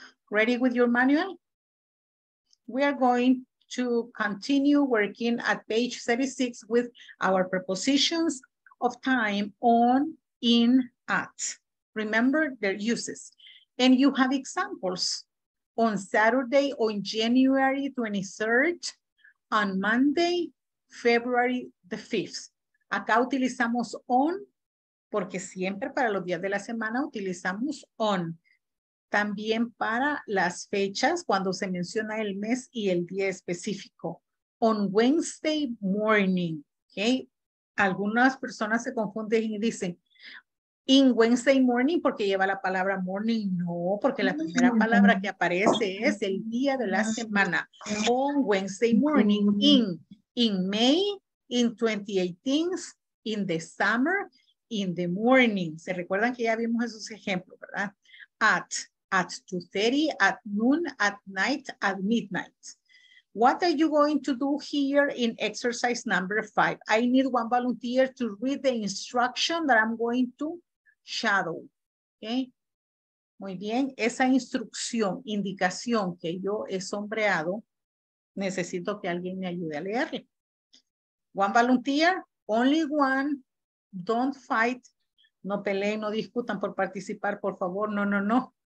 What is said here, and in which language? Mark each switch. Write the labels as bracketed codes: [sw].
[en] Ready with your manual? We are going to continue working at page 36 with our prepositions of time on, in, at. Remember their uses. And you have examples. On Saturday, on January 23rd, on Monday, February the 5th. [es] Acá utilizamos on, porque siempre para los días de la semana utilizamos on. También para las fechas, cuando se menciona el mes y el día específico. [en] On Wednesday morning, [es] okay? Algunas personas se confunden y dicen, [en] in Wednesday morning, [es] porque lleva la palabra morning. No, porque la primera palabra que aparece es el día de la semana. [en] On Wednesday morning, in May, in 2018, in the summer, in the morning. [es] ¿Se recuerdan que ya vimos esos ejemplos, verdad? [en] At 2:30, at noon, at night, at midnight. What are you going to do here in exercise number 5? I need one volunteer to read the instruction that I'm going to shadow. [es] Okay. Muy bien. Esa instrucción, indicación que yo he sombreado, necesito que alguien me ayude a leerle. [en] One volunteer, only one, don't fight. [es] No peleen, no discutan por participar, por favor. No, no, no.